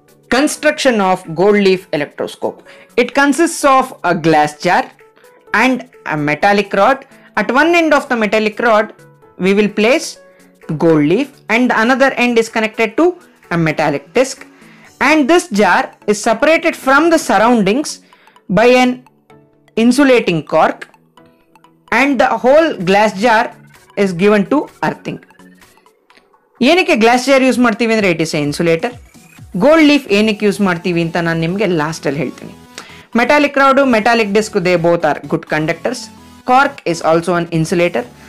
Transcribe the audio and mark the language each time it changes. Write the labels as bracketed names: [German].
[English] Construction of gold leaf electroscope: it consists of a glass jar and a metallic rod. At one end of the metallic rod we will place gold leaf and another end is connected to a metallic disc. And this jar is separated from the surroundings by an insulating cork and the whole glass jar is given to earthing. [Kannada] ಏನಕ್ಕೆ glass jar use ಮಾಡ್ತೀವಿ ಅಂದರೆ [English] It is a insulator. [Kannada] Gold leaf ಏನಕ್ಕೆ use ಮಾಡ್ತೀವಿ ಅಂತ ನಾನು ನಿಮಗೆ ಲಾಸ್ಟಲ್ಲಿ ಹೇಳ್ತೀನಿ. [English] Metallic rod, metallic disc, they both are good conductors. Cork is also an insulator.